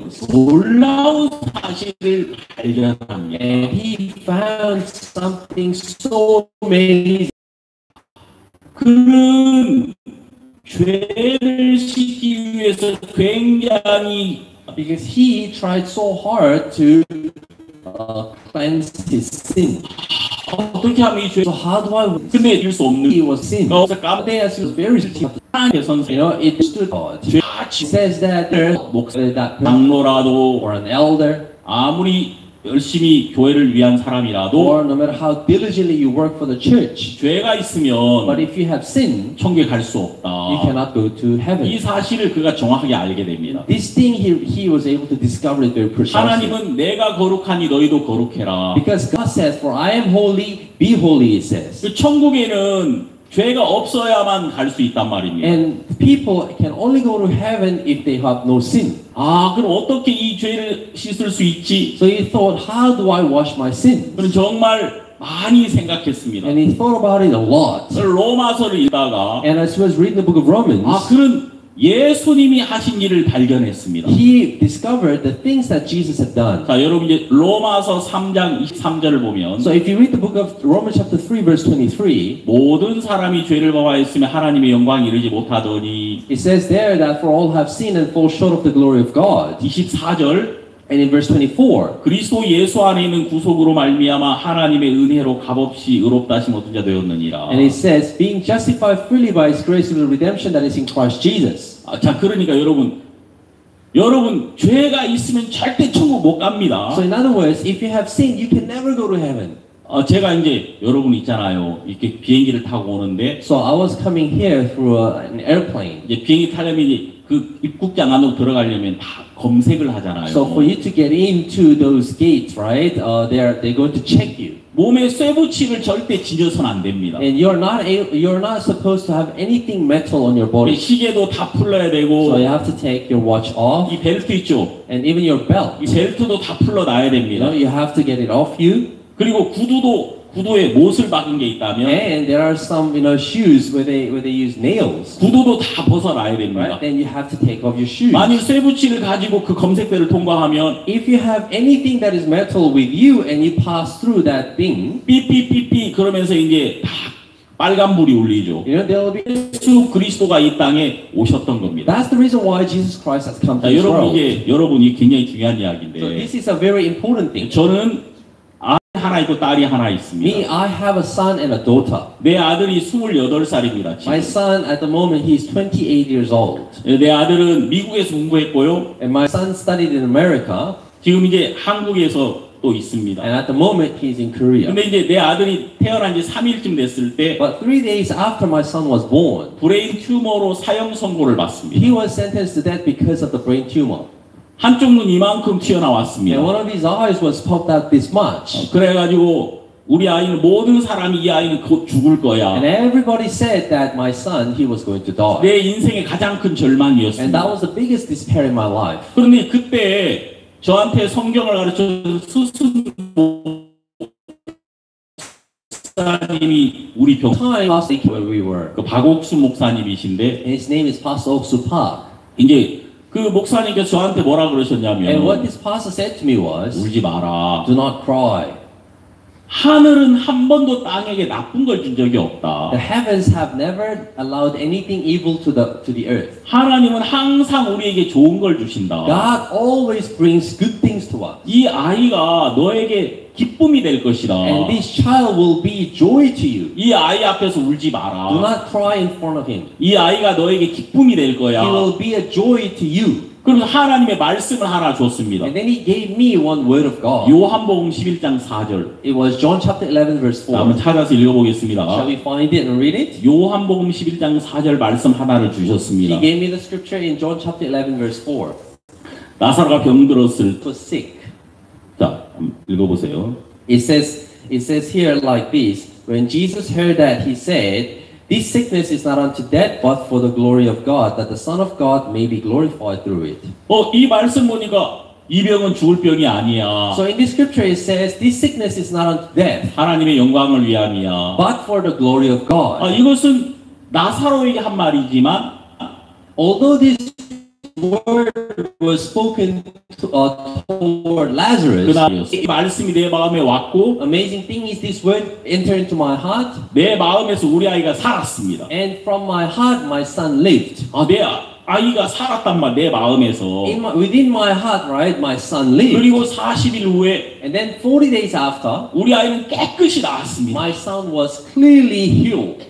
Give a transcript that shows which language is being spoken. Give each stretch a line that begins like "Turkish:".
Korean: 놀라운 사실을 발견합니다.
English: And he found something so amazing.
Korean: 그는 죄를 씻기 위해서 굉장히
English: because he tried so hard to cleanse his sin.
Korean: 어떻게 하면 이 죄?
English: So how do I?
Korean: 근데 이럴 수 없는.
English: He was sin.
Korean: 그래서 까만데에서
English: he was very sin. You know, it stood God. He says that
Korean: 목사라도
English: or an elder,
Korean: 아무리 열심히 교회를 위한 사람이라도
English: or no matter how diligently you work for the church,
Korean: 죄가 있으면
English: but if you have sin,
Korean: 천국에 갈 수 없다.
English: You cannot go to heaven.
Korean: 이 사실을 그가 정확하게 알게 됩니다.
English: This thing he was able to discover it very precisely.
Korean: 하나님은 내가 거룩하니 너희도 거룩해라.
English: Because God says, for I am holy, be holy, it says.
Korean: 그 천국에는 죄가 없어야만 갈 수 있단 말입니다.
English: And people can only go to heaven if they have no sin.
Korean: 아, 그럼 어떻게 이 죄를 씻을 수 있지?
English: So he thought, how do I wash my sins?
Korean: 그는 정말 많이 생각했습니다.
English: And he thought about it a lot.
Korean: 로마서를 읽다가
English: And as he was reading the book of Romans,
Korean: 아, 그는 예수님이 하신 일을 발견했습니다.
English: He discovered the things that Jesus had done.
Korean: 자, 여러분 이제 로마서 3장 23절을 보면
English: So if you read the book of Romans chapter 3 verse 23,
Korean: 모든 사람이 죄를 범하였으며 하나님의 영광 이루지 못하더니
English: It says there that for all have sinned and fall short of the glory of God.
Korean: 24절
English: And in verse 24,
Korean: 그리스도 예수 안에 있는 구속으로 말미암아 하나님의 은혜로 값없이 의롭다 하심 얻은 자 되었느니라.
English: And it says, being justified freely by His grace through the redemption that is in Christ Jesus.
Korean: 아, 자, 그러니까 여러분 죄가 있으면 절대 천국 못 갑니다.
English: So in other words, if you have sin, you can never go to heaven.
Korean: 어, 제가 이제 여러분 있잖아요. 이렇게 비행기를 타고 오는데.
English: So I was coming here through an airplane.
Korean: 이제 비행기 타려면 그 입국장 안으로 들어가려면 다 검색을 하잖아요.
English: So for you to get into those gates, right? They're going to check you.
Korean: 몸에 쇠부칩을 절대 지녀선 안 됩니다.
English: And you're not supposed to have anything metal on your body.
Korean: 시계도 다 풀러야 되고.
English: So you have to take your watch off.
Korean: 이 벨트 있죠.
English: And even your belt.
Korean: 이 벨트도 다 풀러놔야 됩니다.
English: You know, you have to get it off you.
Korean: 그리고 구두에 못을 박은 게 있다면
English: And there are some you know shoes where they use nails.
Korean: 구두도 다 벗어놔야 됩니다.
English: Right? Then you have to take off your shoes.
Korean: 만일 쇠붙이를 가지고 그 검색대를 통과하면
English: If you have anything that is metal with you and you pass through that thing
Korean: 삐삐삐삐 그러면서 이제 다 빨간불이 울리죠.
English: You know, there will be...
Korean: 예수 그리스도가 이 땅에 오셨던 겁니다.
English: That's the reason why Jesus Christ has come to this world.
Korean: 여러분이 굉장히 중요한 이야기인데
English: So this is a very important thing.
Korean: 저는 하나 있고 딸이 하나 있습니다.
English: Me, I have a son and a daughter.
Korean: 내 아들이 28살입니다. 지금.
English: My son at the moment he is 28 years old.
Korean: 내 아들은 미국에서 공부했고요.
English: And my son studied in America.
Korean: 지금 이제 한국에서 또 있습니다.
English: And at the moment he is in Korea.
Korean: 근데 이제 내 아들이 태어난 지 3일쯤 됐을 때
English: But 3 days after my son was born.
Korean: 브레인 튜머로 사형 선고를 받습니다.
English: He was sentenced to death because of the brain tumor.
Korean: 한쪽 눈 이만큼 튀어나왔습니다.
English: And one of his eyes was popped out this much.
Korean: 그래가지고 우리 아이는 모든 사람이 이 아이는 곧 죽을 거야.
English: And everybody said that my son, he was going to die.
Korean: 내 인생의 가장 큰 절망이었습니다.
English: And that was the biggest despair in my life.
Korean: 그런데 그때 저한테 성경을 가르쳐준 목사님이 우리 그 박옥수 목사님이신데
English: And his name is Pastor Oksu Park.
Korean: 이제 그 목사님께서 저한테 뭐라 그러셨냐면
English: And what this pastor said to me was
Korean: 울지 마라.
English: Do not cry.
Korean: 하늘은 한 번도 땅에게 나쁜 걸 준 적이 없다.
English: The heavens have never allowed anything evil to the earth.
Korean: 하나님은 항상 우리에게 좋은 걸 주신다.
English: God always brings good things to us.
Korean: 이 아이가 너에게 기쁨이 될 것이다.
English: And this child will be joy to you.
Korean: 이 아이 앞에서 울지 마라.
English: Do not cry in front of him.
Korean: 이 아이가 너에게 기쁨이 될 거야.
English: He will be a joy to you.
Korean: 그럼 하나님의 말씀을 하나 줬습니다.
English: And then he gave me one word of God.
Korean: 요한복음 11장 4절.
English: It was John chapter 11 verse 4.
Korean: 한번 찾아서 읽어보겠습니다.
English: Shall we find it and read it?
Korean: 요한복음 11장 4절 말씀 하나를 주셨습니다.
English: He gave me the scripture in John chapter 11 verse 4.
Korean: 나사로가 병들었을
English: to sick.
Korean: 읽어보세요.
English: It says here like this. When Jesus heard that, he said, "This sickness is not unto death, but for the glory of God, that the Son of God may be glorified through it."
Korean: 어, 이 말씀 보니까 이 병은 죽을 병이 아니야.
English: So in this scripture it says, "This sickness is not unto death."
Korean: 하나님의 영광을 위함이야.
English: But for the glory of God.
Korean: 아, 이것은 나사로에게 한 말이지만,
English: although this word was spoken toward Lazarus.
Korean: 그날이었어요. 이 말씀이 내 마음에 왔고
English: Amazing thing is this word entered into my heart.
Korean: 내 마음에서 우리 아이가 살았습니다.
English: And from my heart my son lived.
Korean: 아, 내 아이가 살았단 말 내 마음에서.
English: Within my heart right my son lived.
Korean: 그리고 40일 후에
English: And then 40 days after
Korean: 우리 아이는 깨끗이 나았습니다.
English: My son was clearly healed.